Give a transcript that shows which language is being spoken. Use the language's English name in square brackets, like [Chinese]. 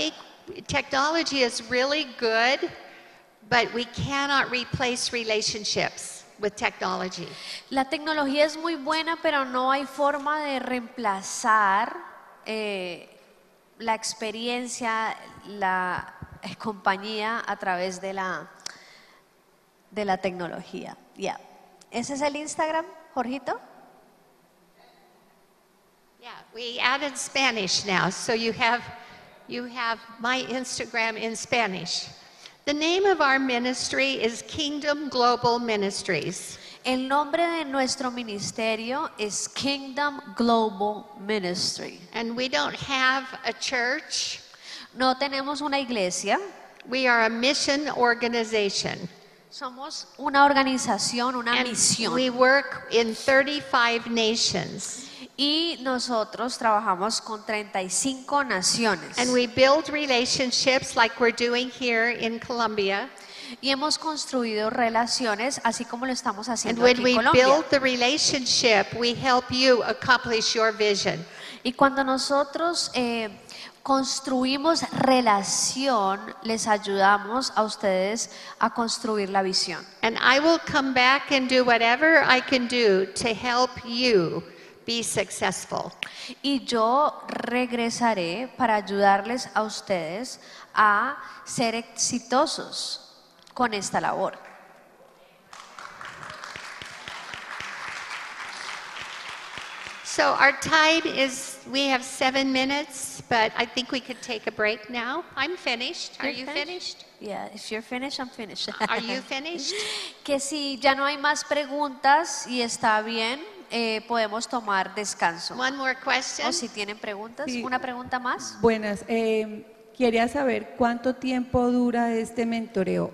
[English] I think technology is really good, but we cannot replace relationships with technology. [Spanish] La tecnología es muy buena, pero no hay forma de reemplazar la experiencia, la compañía a través de la tecnología. Yeah. ¿Ese es el Instagram, Jorgito? [English] Yeah, we added Spanish now, so you have my Instagram in Spanish. The name of our ministry is Kingdom Global Ministries. [Spanish] El nombre de nuestro ministerio es Kingdom Global Ministry. [English] And we don't have a church. [Spanish] No tenemos una iglesia. [English] We are a mission organization. [Spanish] Somos una organización, una misión. [English] We work in 35 nations. [Spanish] Y nosotros trabajamos con 35 naciones. [English] And we build relationships like we're doing here in Colombia. [Spanish] y hemos construido relaciones así como lo estamos haciendo aquí en Colombia. [English] And when we build the relationship, we help you accomplish your vision. [Spanish] Y cuando nosotros construimos relación, les ayudamos a ustedes a construir la visión. [English] And I will come back and do whatever I can do to help you be successful. [Spanish] Y yo regresaré para ayudarles a ustedes a ser exitosos con esta labor. [English] So our time is, we have 7 minutes, but I think we could take a break now. I'm finished. Are you finished? Yeah, if you're finished, I'm finished. Are you finished? [Spanish] Que si ya no hay más preguntas y está bien, podemos tomar descanso. [English] One more question. [Spanish] O si tienen preguntas, sí. Una pregunta más. Buenas. Quería saber cuánto tiempo dura este mentoreo.